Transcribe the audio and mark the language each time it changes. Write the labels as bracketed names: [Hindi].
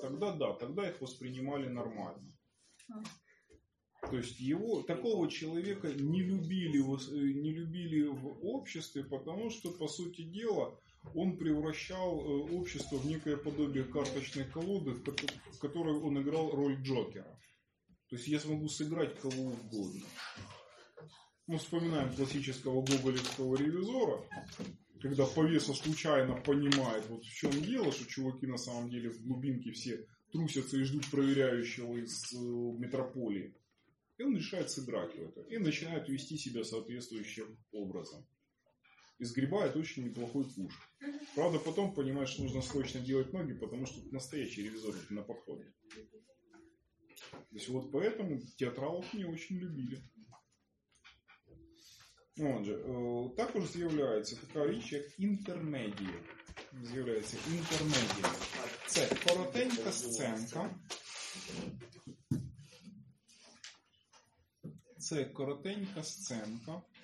[Ukrainian] Тоді да, тоді їх сприймали нормально. Тобто його, такого чоловіка не любили в обществі, тому що, по суті діла, він [Russian] превращав общество в некое подобие карточной колоды, в которой он играл роль Джокера. Тобто я смогу сыграть кого угодно. Ну, вспоминаем классического гоголевского ревизора, когда повеса случайно понимает, вот в чем дело, что чуваки на самом деле в глубинке все трусятся и ждут проверяющего из метрополии. И он решает сыграть в это. И начинает вести себя соответствующим образом. И сгребает очень неплохой куш. Правда, потом понимает, что нужно срочно делать ноги, потому что настоящий ревизор на подходе. То есть вот поэтому театралов не очень любили. [Ukrainian] Отже, також з'являється така річ, як інтермедія. З'являється інтермедія. Це коротенька сценка. Це коротенька сценка.